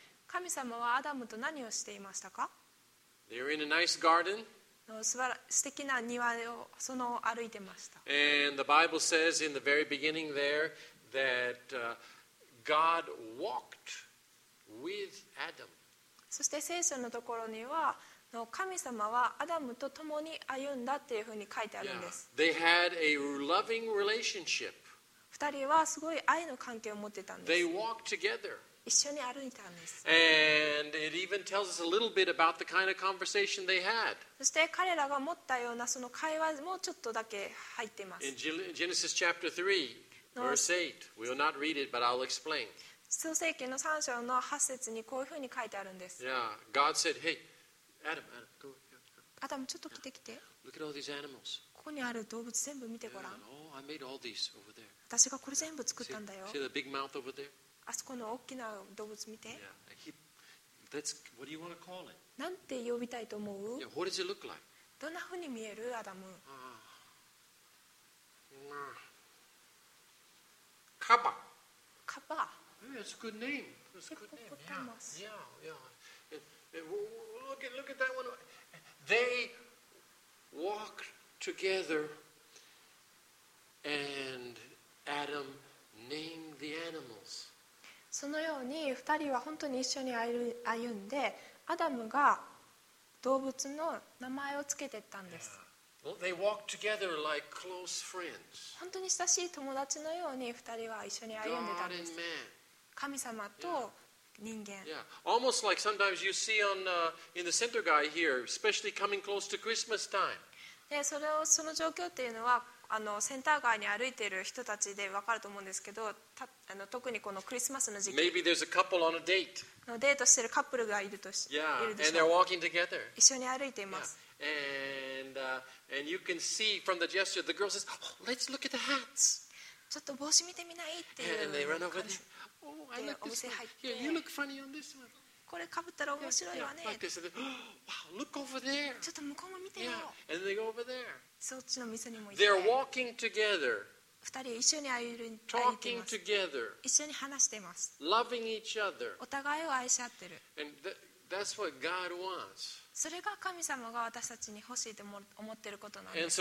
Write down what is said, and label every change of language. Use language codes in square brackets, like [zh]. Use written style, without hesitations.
[ja] 神様はアダムと何をしていましたか？ [en] They're in a nice garden. [ja] 素敵な庭をその歩いてました。 [en] And the Bible says in the very beginning there that God walked. With Adam. [ja] そして聖書のところには神様はアダムと共に歩んだっていうふうに書いてあるんです。 [en] Yeah. They had a loving relationship. [ja] 二人はすごい愛の関係を持ってたんです。 [en] They walked together. [ja] 一緒に歩いたんです。 [en] And it even tells us a little bit about the kind of conversation they had. [ja] そして彼らが持ったようなその会話もちょっとだけ入ってます。 [en] In Genesis chapter 3, verse 8, we will not read it, but I'll explain. [ja] 創世記の3章の8節にこういうふうに書いてあるんです。 [en] Yeah, God said, hey, Adam, go here. [ja] アダム、ちょっと来てきて。 [en] Yeah. Look at all these animals. [ja] ここにある動物全部見てごらん。 [en] Yeah, oh, I made all these over there. [ja] 私がこれ全部作ったんだよ。 [en] See the big mouth over there? [ja] あそこの大きな動物見て。 [en] Yeah. He, that's, what do you want to call it? [ja] なんて呼びたいと思う? [en] Yeah, what does it look like? [ja] どんなふうに見える、アダム? カバ。カバ。 [en] That's a good name. That's a good name. Yeah. Yeah. Yeah. Look at that one. They walked together, and Adam named the animals. [ja] そのように二人は本当に一緒に歩んで、アダムが動物の名前をつけてったんです。 [en] They walked together like close friends. [ja] 本当に親しい友達のように二人は一緒に歩んでたんです。神様と人間。 [en] Yeah. Yeah. Almost like sometimes you see on in the center guy here, especially coming close to Christmas time. [ja] で、その状況っていうのはセンター街に歩いている人たちでわかると思うんですけど、特にこのクリスマスの時期。 [en] Maybe there's a couple on a date. [ja] のデートしているカップルがいるとし、 [en] yeah. And they're walking together. [ja] 一緒に歩いています。 [en] Yeah. And you can see from the gesture, the girl says,、oh, "Let's look at the hats." [ja] ちょっと帽子見てみないっていう感じ。 [en] And they run over there. Oh, I like this one. Yeah, you look funny on this one. [ja] これ被ったら面白いわね。 [en] Yeah, yeah. Like wow, look over there. [ja] ちょっと向こうも見てよ。 [en] Yeah. And they go over there. [ja] そっちの店にも行って。 [en] They're walking together. [ja] 二人一緒に歩いています。 [en] Talking together. [ja] 一緒に話しています。 [en] Loving each other. [ja] お互いを愛し合ってる。 [en] And that's what God wants. [ja] それが神様が私たちに欲しいと思っていることなんです。